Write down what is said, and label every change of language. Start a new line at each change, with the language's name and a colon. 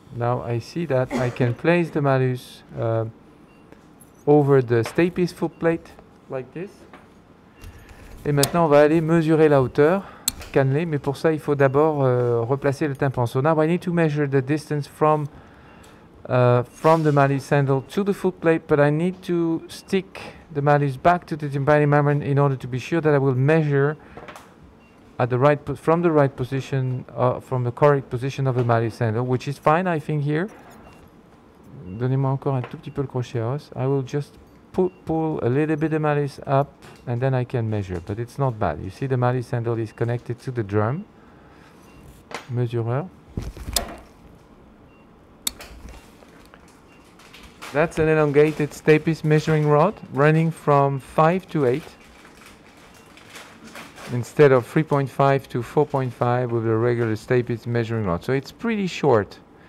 English: Now I see that I can place the malleus over the stapes foot plate like this.
French: Et maintenant on va aller mesurer la hauteur cannelée, mais pour ça il faut d'abord replacer le tympan.
English: So now I need to measure the distance from the malleus sandal to the foot plate, but I need to stick the malleus back to the tympani membrane in order to be sure that I will measure at the right from the right position from the correct position of the malleus sandal, which is fine I think here.
French: Donnez-moi encore un tout petit peu le crochet à os.
English: I will just pull a little bit of malleus up and then I can measure, but it's not bad. You see the malleus sandal is connected to the drum. Mesureur. That's an elongated stapes measuring rod running from 5 to 8 instead of 3.5 to 4.5 with a regular stapes measuring rod. So it's pretty short.